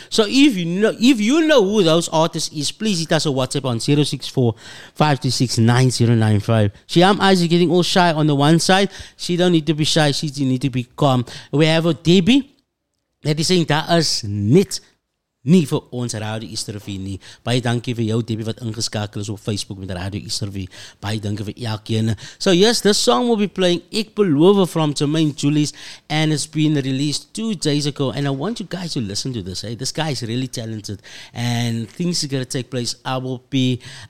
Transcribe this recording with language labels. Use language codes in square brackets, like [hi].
[en] So if you know who those artists is, please hit us a WhatsApp on 064-526-9095. Shiham Isaac is getting all shy on the one side. She don't need to be shy, she need to be calm. We have a Debbie that is saying that is net. [af] Nie vir ons Radio Easter V nie. Baie dankie vir jou, Debbie, wat ingeskakel is op Facebook met Radio Easter V. Baie dankie vir elkeen. [en] So yes, this song will be playing Ek Beloof from Jermaine Julius, and it's been released 2 days ago, and I want you guys to listen to this. Hey, this guy is really talented, and things are going to take place. I will be...